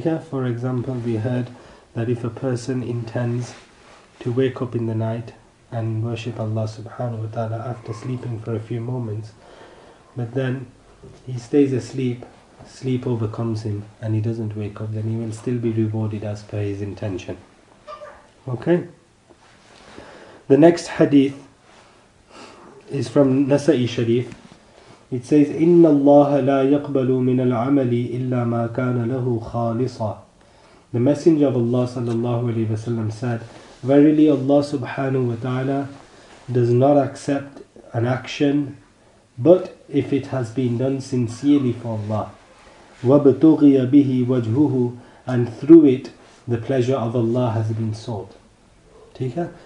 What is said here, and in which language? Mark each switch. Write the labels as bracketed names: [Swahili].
[English] For example, we heard that if a person intends to wake up in the night and worship Allah subhanahu wa ta'ala after sleeping for a few moments, but then he stays asleep, sleep overcomes him and he doesn't wake up, then he will still be rewarded as per his intention. Okay? The next hadith is from Nasa'i Sharif. [Arabic] It says, إِنَّ اللَّهَ لَا يَقْبَلُ مِنَ الْعَمَلِ إِلَّا مَا كَانَ لَهُ خَالِصًا. [English] The Messenger of Allah sallallahu alayhi wa sallam said, verily Allah subhanahu wa ta'ala does not accept an action but if it has been done sincerely for Allah. [Arabic] وَبْتُغِيَ بِهِ وَجْهُهُ, [English] and through it the pleasure of Allah has been sought. Okay?